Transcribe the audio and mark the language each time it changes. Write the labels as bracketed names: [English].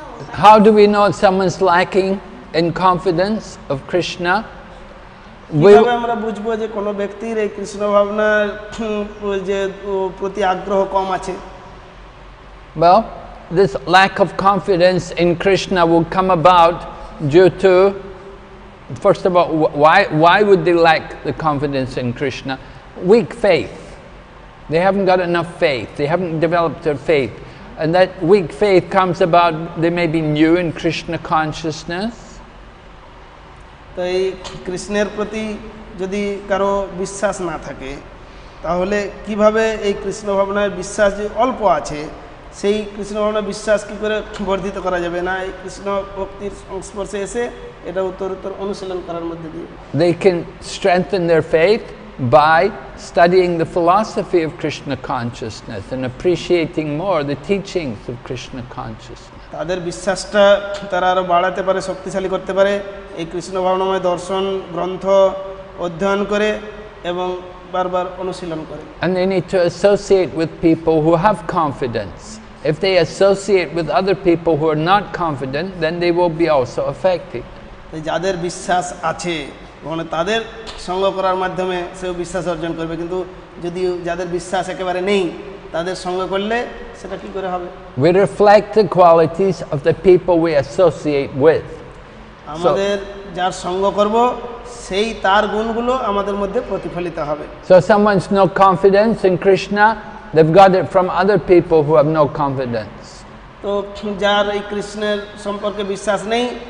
[English] How do we know someone's lacking in confidence of Krishna? [Bangla] কিভাবে আমরা বুঝবো যে কোনো ব্যক্তির এই কৃষ্ণ ভাবনার যে প্রতি আগ্রহ কম আছে? [English] Well, this lack of confidence in Krishna will come about due to, first of all, why would they lack the confidence in Krishna? Weak faith. They haven't got enough faith. They haven't developed their faith. And that weak faith comes about, they may be new in Krishna consciousness. [Bangla] তাই কৃষ্ণের প্রতি যদি কারো বিশ্বাস না থাকে, তাহলে কিভাবে এই কৃষ্ণ ভাবনার বিশ্বাস যে অল্প আছে, সেই কৃষ্ণ ভাবনার বিশ্বাস কি করে বর্ধিত করা যাবে? না, এই কৃষ্ণ ভক্তির সংস্পর্শে এসে এটা উত্তরোত্তর অনুশীলন করার মধ্যে দিয়ে। [English] They can strengthen their faith by studying the philosophy of Krishna consciousness and appreciating more the teachings of Krishna consciousness. [Bangla] তাদের বিশ্বাসটা তারা আরো বাড়াতে পারে, শক্তিশালী করতে পারে এই কৃষ্ণ ভাবনাময় দর্শন গ্রন্থ অধ্যয়ন করে এবং বারবার অনুশীলন করে। [English] And they need to associate with people who have confidence. If they associate with other people who are not confident, then they will be also affected. [Bangla] যাদের বিশ্বাস আছে মানে তাদের সঙ্গ করার মাধ্যমে সেও বিশ্বাস অর্জন করবে, কিন্তু যদি যাদের বিশ্বাস একেবারে নেই তাদের সঙ্গ করলে সেটা কি করে হবে? [English] We reflect the qualities of the people we associate with. [Bangla] আমাদের যার সঙ্গ করব সেই তার গুণগুলো আমাদের মধ্যে প্রতিফলিত হবে। [English] So someone's no confidence in Krishna, they've got it from other people who have no confidence. [Bangla] তো যার এই কৃষ্ণের সম্পর্কে বিশ্বাস নেই,